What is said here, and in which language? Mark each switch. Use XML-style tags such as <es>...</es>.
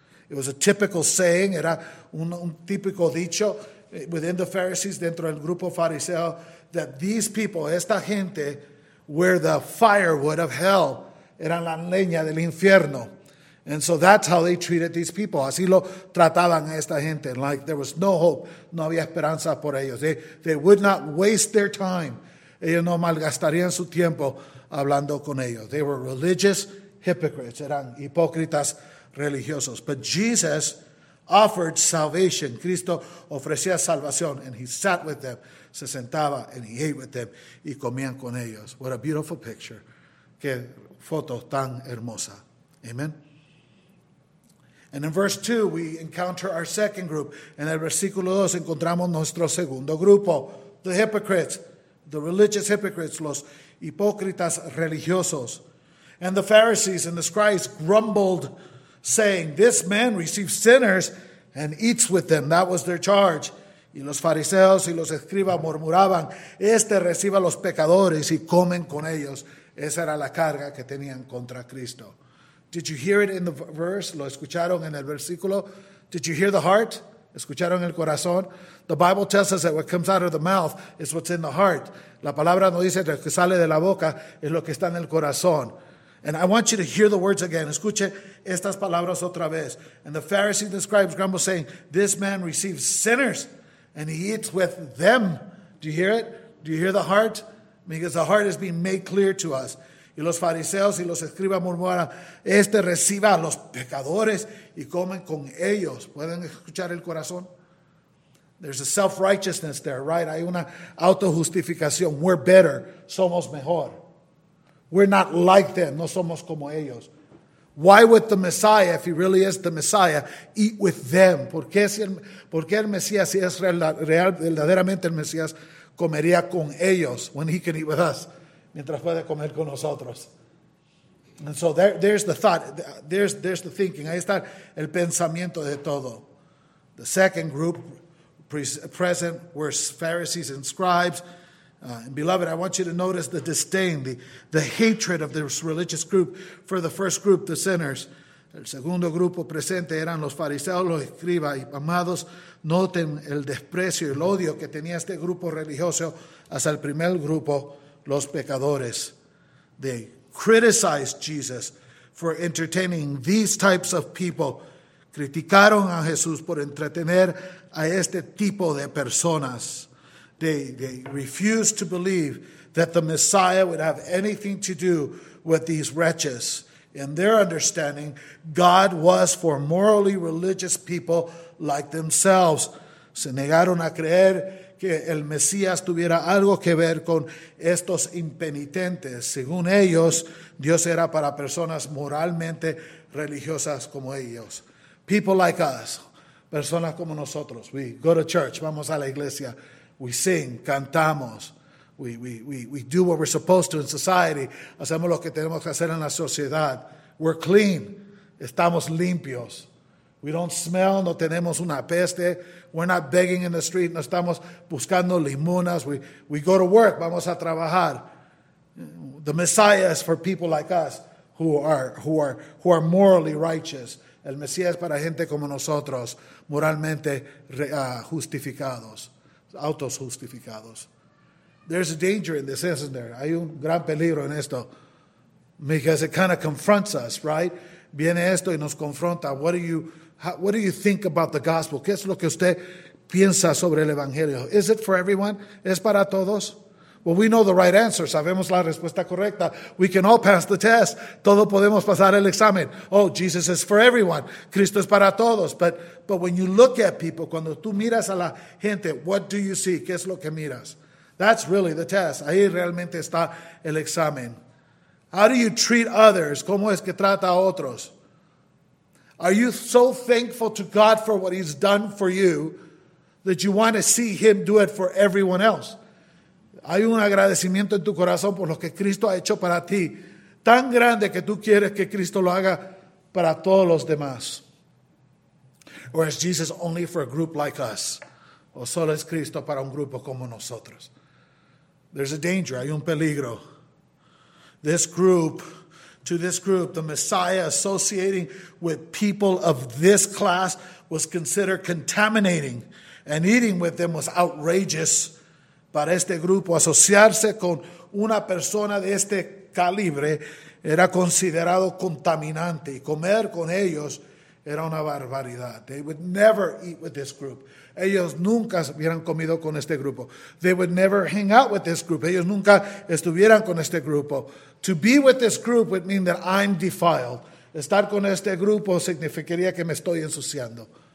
<en>It was a typical saying.</en> <es>Era un típico dicho</es> <en>within the Pharisees,</en> <es>dentro del grupo fariseo,</es> <en>that these people,</en> <es>esta gente,</es> <en>were the firewood of hell.</en> <es>Eran la leña del infierno.</es> <en>And so that's how they treated these people.</en> <es>Así lo trataban a esta gente.</es> <en>Like there was no hope.</en> <es>No había esperanza por ellos.</es> <en>They would not waste their time.</en> <es>Ellos no malgastarían su tiempo hablando con ellos.</es> <en>They were religious hypocrites.</en> <es>Eran hipócritas religiosos.</es> <en>But Jesus offered salvation.</en> <es>Cristo ofrecía salvación.</es> <en>And he sat with them.</en> <es>Se sentaba</es> <en>and he ate with them.</en> <es>Y comían con ellos.</es> <en>What a beautiful picture.</en> <es>Qué foto tan hermosa.</es> <en>Amen. And in verse 2, we encounter our second group.</en> <es>En el versículo 2, encontramos nuestro segundo grupo,</es> <en>the hypocrites, the religious hypocrites,</en> <es>los hipócritas religiosos.</es> <en>And the Pharisees and the scribes grumbled, saying, "This man receives sinners and eats with them." That was their charge.</en> <es>Y los fariseos y los escribas murmuraban, "Este recibe a los pecadores y comen con ellos." Esa era la carga que tenían contra Cristo.</es> <en>Did you hear it in the verse?</en> <es>¿Lo escucharon en el versículo?</es> <en>Did you hear the heart?</en> <es>¿Escucharon el corazón?</es> <en>The Bible tells us that what comes out of the mouth is what's in the heart.</en> <es>La palabra no dice que lo que sale de la boca es lo que está en el corazón.</es> <en>And I want you to hear the words again.</en> <es>Escuche estas palabras otra vez.</es> <en>And the Pharisees and the scribes grumble, saying, "This man receives sinners and he eats with them." Do you hear it? Do you hear the heart? Because the heart is being made clear to us.</en> <es>Y los fariseos y los escribas murmuran, "Este reciba a los pecadores y comen con ellos." ¿Pueden escuchar el corazón?</es> <en>There's a self-righteousness there, right?</en> <es>Hay una autojustificación.</es> <en>We're better.</en> <es>Somos mejor.</es> <en>We're not like them.</en> <es>No somos como ellos.</es> <en>Why would the Messiah, if he really is the Messiah, eat with them?</en> <es>¿Por qué el Mesías, si es verdaderamente el Mesías, comería con ellos,</es> <en>when he can eat with us?</en> <es>Mientras puede comer con nosotros.</es> <en>And so there's the thought. There's the thinking.</en> <es>Ahí está el pensamiento de todo.</es> <en>The second group present were Pharisees and scribes. And beloved, I want you to notice the disdain, the hatred of this religious group for the first group, the sinners.</en> <es>El segundo grupo presente eran los fariseos, los escribas. Y amados, noten el desprecio y el odio que tenía este grupo religioso hacia el primer grupo, los pecadores.</es> <en>They criticized Jesus for entertaining these types of people.</en> <es>Criticaron a Jesús por entretener a este tipo de personas.</es> <en>They refused to believe that the Messiah would have anything to do with these wretches. In their understanding, God was for morally religious people like themselves.</en> <es>Se negaron a creer que el Mesías tuviera algo que ver con estos impenitentes. Según ellos, Dios era para personas moralmente religiosas como ellos.</es> <en>People like us,</en> <es>personas como nosotros.</es> <en>We go to church,</en> <es>vamos a la iglesia.</es> <en>We sing,</en> <es>cantamos.</es> <en>We do what we're supposed to in society.</en> <es>Hacemos lo que tenemos que hacer en la sociedad.</es> <en>We're clean.</en> <es>Estamos limpios.</es> <en>We don't smell.</en> <es>No tenemos una peste.</es> <en>We're not begging in the street.</en> <es>No estamos buscando limonas.</es> <en>We go to work.</en> <es>Vamos a trabajar.</es> <en>The Messiah is for people like us who are morally righteous.</en> <es>El Mesías es para gente como nosotros, moralmente justificados, autosjustificados.</es> <en>There's a danger in this, isn't there?</en> <es>Hay un gran peligro en esto. Because it kind of confronts us, right? Viene esto y nos confronta.</es> <en>What do you think about the gospel?</en> <es>¿Qué es lo que usted piensa sobre el evangelio?</es> <en>Is it for everyone?</en> <es>¿Es para todos?</es> <en>Well, we know the right answer.</en> <es>Sabemos la respuesta correcta.</es> <en>We can all pass the test.</en> <es>Todos podemos pasar el examen.</es> <en>Oh, Jesus is for everyone.</en> <es>Cristo es para todos.</es> <en>But when you look at people,</en> <es>cuando tú miras a la gente,</es> <en>what do you see?</en> <es>¿Qué es lo que miras?</es> <en>That's really the test.</en> <es>Ahí realmente está el examen.</es> <en>How do you treat others?</en> <es>¿Cómo es que trata a otros?</es> <en>Are you so thankful to God for what he's done for you that you want to see him do it for everyone else?</en> <es>Hay un agradecimiento en tu corazón por lo que Cristo ha hecho para ti, tan grande que tú quieres que Cristo lo haga para todos los demás.</es> <en>Or is Jesus only for a group like us?</en> <es>¿O solo es Cristo para un grupo como nosotros?</es> <en>There's a danger,</en> <es>hay un peligro.</es> <en>To this group, the Messiah associating with people of this class was considered contaminating, and eating with them was outrageous.</en> <es>Para este grupo, asociarse con una persona de este calibre era considerado contaminante, y comer con ellos era una barbaridad.</es> <en>They would never eat with this group.</en> <es>Ellos nunca hubieran comido con este grupo.</es> <en>They would never hang out with this group.</en> <es>Ellos nunca estuvieran con este grupo.</es> <en>To be with this group would mean that I'm defiled.</en> <es>Estar con este grupo significaría que me estoy ensuciando.</es>